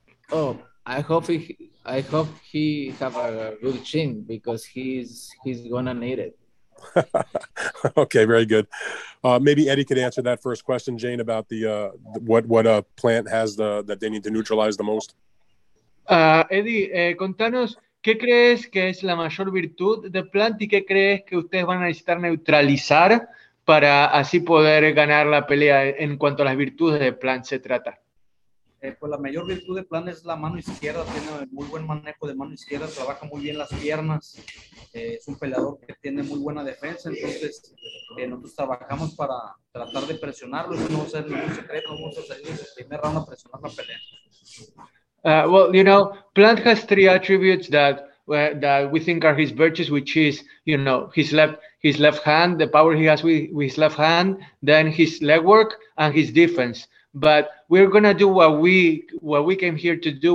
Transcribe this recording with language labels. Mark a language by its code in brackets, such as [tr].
[en] I hope he have a good chin because he's gonna need it. Okay, very good. Maybe Eddie could answer that first question, Jane, about the plant has the that they need to neutralize the most. [es] Eddie, contanos, ¿qué crees que es la mayor virtud de plant y qué crees que ustedes van a necesitar neutralizar para así poder ganar la pelea en cuanto a las virtudes de plant se trata? Pues la mayor virtud de plan es la mano izquierda, tiene muy buen manejo de mano izquierda, trabaja muy bien las piernas, es un peleador que tiene muy buena defensa, entonces nosotros trabajamos para tratar de presionarlo, eso no va a ser ningún secreto, vamos a salir en el primer round a presionar la pelea. [en] Well, you know, Plant has three attributes that we think are his virtues, which is, you know, his left hand, the power he has with his left hand, then his legwork and his defense. But we're going to do what we came here to do.